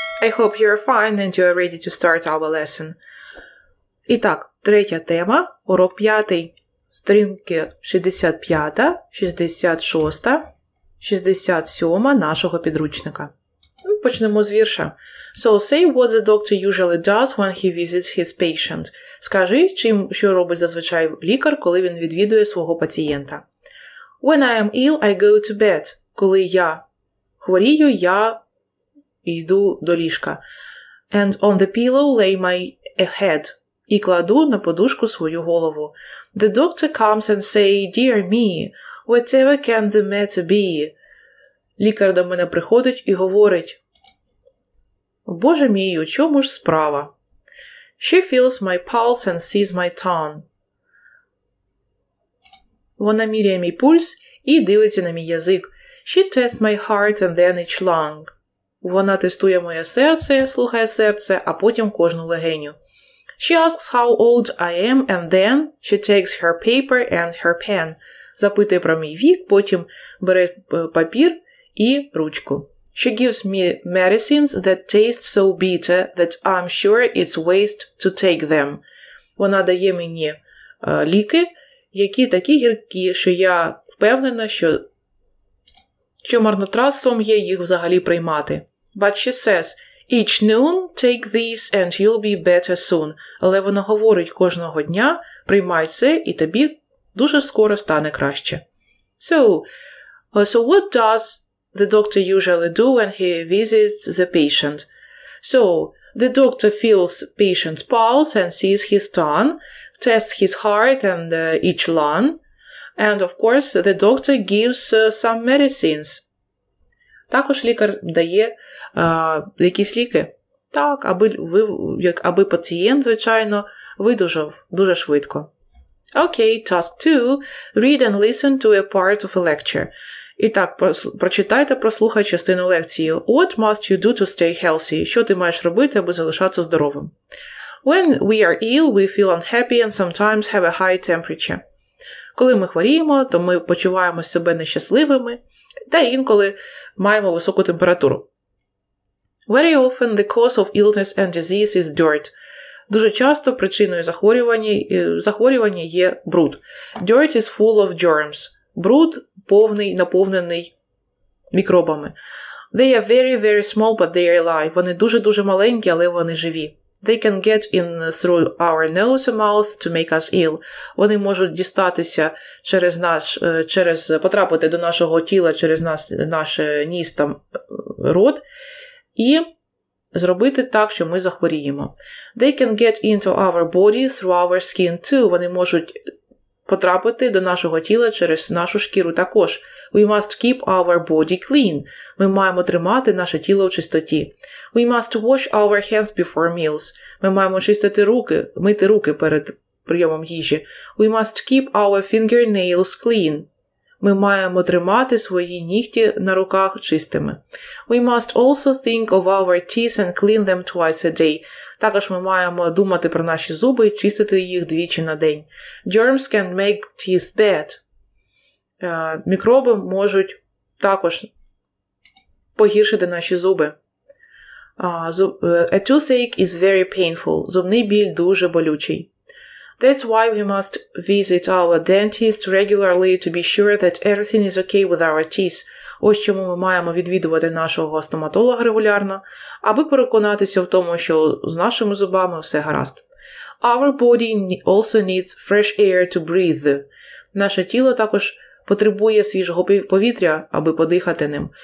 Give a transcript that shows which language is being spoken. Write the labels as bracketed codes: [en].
[en] I hope you're fine and you're ready to start our lesson. [uk] І так, третя тема, урок п'ятий, сторінки 65, 66, 67 нашого підручника. Почнемо з вірша. [en] So say what the doctor usually does when he visits his patient. [uk] Скажи, чим, що робить зазвичай лікар, коли він відвідує свого пацієнта. [en] When I am ill, I go to bed. [uk] Коли я хворію, я йду до ліжка. [en] And on the pillow lay my head. [uk] І кладу на подушку свою голову. [en] The doctor comes and say, dear me, whatever can the matter be? [uk] Лікар до мене приходить і говорить, Боже мій, у чому ж справа? [en] She feels my pulse and sees my tongue. [uk] Вона міряє мій пульс і дивиться на мій язик. [en] She tests my heart and then each lung. [uk] Вона тестує моє серце, слухає серце, а потім кожну легеню. [en] She asks how old I am and then she takes her paper and her pen. [uk] Запитує про мій вік, потім бере папір і ручку. [en] She gives me medicines that taste so bitter that I'm sure it's waste to take them. [uk] Вона дає мені ліки, які такі гіркі, що я впевнена, що марнотратством є їх взагалі приймати. [en] But she says, each noon take this and you'll be better soon. [uk] Але вона говорить, кожного дня приймай це і тобі дуже скоро стане краще. [en] So what does the doctor usually do when he visits the patient? So, the doctor feels patient's pulse and sees his tongue, tests his heart and each lung. And, of course, the doctor gives some medicines. [uk] Також лікар дає якісь ліки. Так, аби пацієнт, звичайно, видужав дуже швидко. [en] Okay, task 2. Read and listen to a part of a lecture. [uk] І так, прочитайте, прослухай частину лекції. [en] What must you do to stay healthy? [uk] Що ти маєш робити, аби залишатися здоровим? [en] When we are ill, we feel unhappy and sometimes have a high temperature. [uk] Коли ми хворіємо, то ми почуваємо себе нещасливими та інколи маємо високу температуру. [en] Very often the cause of illness and disease is dirt. [uk] Дуже часто причиною захворювання є бруд. [en] Dirt is full of germs. [uk] Бруд повний, наповнений мікробами. [en] They are very, very small, but they are alive. [uk] Вони дуже-дуже маленькі, але вони живі. [en] They can get in through our nose and mouth to make us ill. [uk] Вони можуть дістатися через нас, через потрапити до нашого тіла, через нас, наш ніс там рот, і зробити так, що ми захворіємо. [en] They can get into our body through our skin too. [uk] Вони можуть потрапити до нашого тіла через нашу шкіру також. [en] We must keep our body clean. [uk] Ми маємо тримати наше тіло в чистоті. [en] We must wash our hands before meals. [uk] Ми маємо чистити руки, мити руки перед прийомом їжі. [en] We must keep our fingernails clean. [uk] Ми маємо тримати свої нігті на руках чистими. [en] We must also think of our teeth and clean them twice a day. [uk] Також ми маємо думати про наші зуби і чистити їх двічі на день. [en] Germs can make teeth bad. [uk] Мікроби можуть також погіршити наші зуби. [en] A toothache is very painful. [uk] Зубний біль дуже болючий. [en] That's why we must visit our dentist regularly to be sure that everything is okay with our teeth. [uk] Ось чому ми маємо відвідувати нашого стоматолога регулярно, аби переконатися в тому, що з нашими зубами все гаразд. [en] Our body also needs fresh air to breathe. [uk] Наше тіло також потребує свіжого повітря, аби подихати ним.